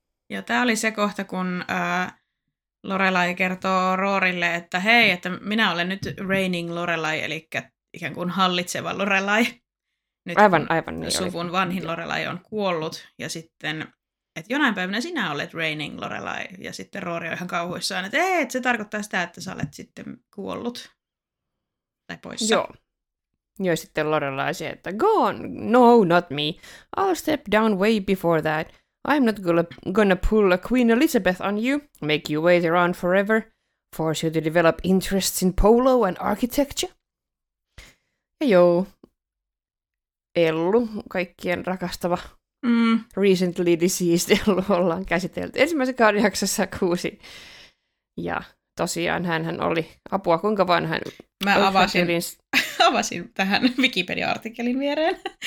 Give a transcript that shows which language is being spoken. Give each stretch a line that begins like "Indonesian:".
Finnish: Ja tämä oli se kohta, kun Lorelai kertoo Rorille, että hei, että minä olen nyt reigning Lorelai, eli ikään kuin hallitseva Lorelai. Nyt aivan niin suvun oli. Vanhin Lorelai on kuollut, ja sitten, että jonain päivänä sinä olet reigning Lorelai, ja sitten Rory on ihan kauhuissaan, että ei, että se tarkoittaa sitä, että sä olet sitten kuollut, tai poissa. Joo. Ja sitten Lorelai se, että
English: go on, no, not me, I'll step down way before that, I'm not gonna pull a Queen Elizabeth on you, make you wait around forever, force you to develop interests in polo and architecture.
Finnish: Ja joo. Ellu, kaikkien rakastava,
English: recently deceased
Finnish: Ellu, ollaan käsitelty ensimmäisen kauden jaksossa 6. Ja tosiaan hän oli, apua kuinka vanha hän... Mä avasin tähän Wikipedia-artikkelin viereen.